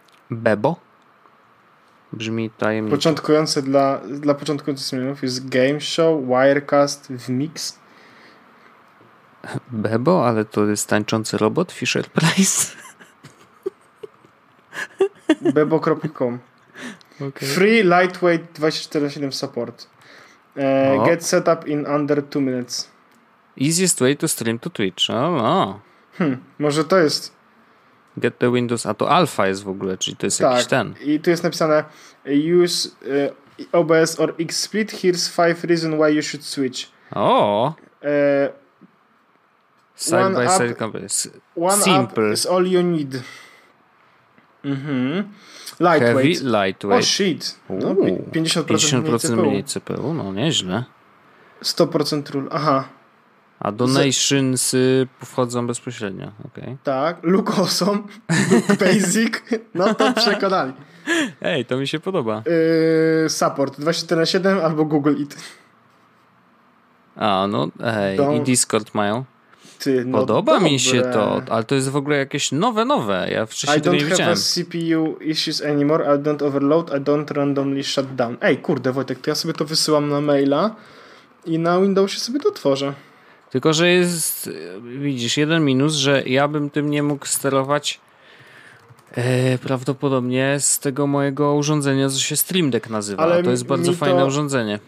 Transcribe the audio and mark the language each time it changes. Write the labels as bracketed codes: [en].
[pl] Bebo? Brzmi tajemniczo. Początkujące dla początkujących streamerów jest Game Show, Wirecast, Vmix. Bebo, ale to jest tańczący robot Fisher-Price. Bebo.com. Okay. [en] Free lightweight 24/7 support. Get set up in under 2 minutes. Easiest way to stream to Twitch. [pl] Może to jest. [en] Get the Windows, [pl] a to alfa jest w ogóle, czyli to jest tak, jakiś ten. I tu jest napisane [en] use OBS or XSplit. Here's 5 reasons why you should switch. Side by side companies. One simple. Up is all you need. Mm-hmm. Lightweight. Heavy, lightweight. Oh shit. No, 50% [pl] mniej CPU, no nieźle. [en] 100% rule, aha. [pl] A donations wchodzą bezpośrednio, okej. [en] Okay. [pl] Tak, [en] look awesome, look basic, [pl] no to przekonali. Ej, to mi się podoba. Support 24/7 albo Google It. A, no ej, [en] don't... [pl] i Discord mają. Ty, no podoba dobre. Mi się to, ale to jest w ogóle jakieś nowe. Ja wcześniej tego nie widziałem. [en] I don't have a CPU issues anymore, I don't overload, I don't randomly shut down. [pl] Ej, kurde Wojtek, to ja sobie to wysyłam na maila i na Windowsie sobie to tworzę. Tylko, że jest, widzisz, jeden minus, że ja bym tym nie mógł sterować prawdopodobnie z tego mojego urządzenia, co się Stream Deck nazywa. Ale to jest bardzo fajne urządzenie.